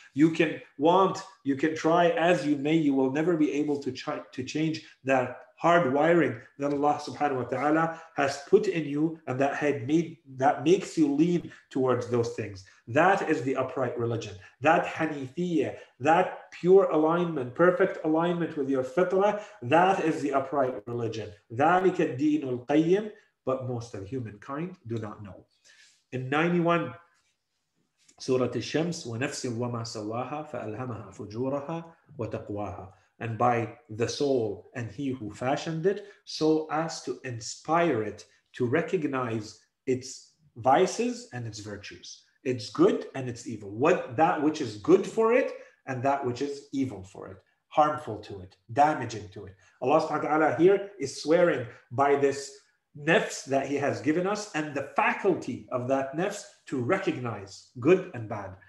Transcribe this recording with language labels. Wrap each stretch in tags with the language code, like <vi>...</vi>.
<en>You can want, you can try as you may, you will never be able to change that hard wiring that Allah subhanahu wa ta'ala has put in you and that had made, that makes you lean towards those things. That is the upright religion. That hanifiyyah, that pure alignment, perfect alignment with your fitrah, that is the upright religion.</en> <ar>ذلك الدين القيم.</ar> <en>But most of humankind do not know. In 91, Surah Al-Shams,</en> <ar>وَنَفْسٍ وَمَا سَوَّاهَا فَأَلْهَمَهَا فُجُورَهَا وَتَقْوَاهَا.</ar> <en>And by the soul and he who fashioned it, so as to inspire it to recognize its vices and its virtues. It's good and it's evil. What, that which is good for it and that which is evil for it. Harmful to it, damaging to it. Allah subhanahu wa ta'ala here is swearing by this nafs that he has given us and the faculty of that nafs to recognize good and bad.</en>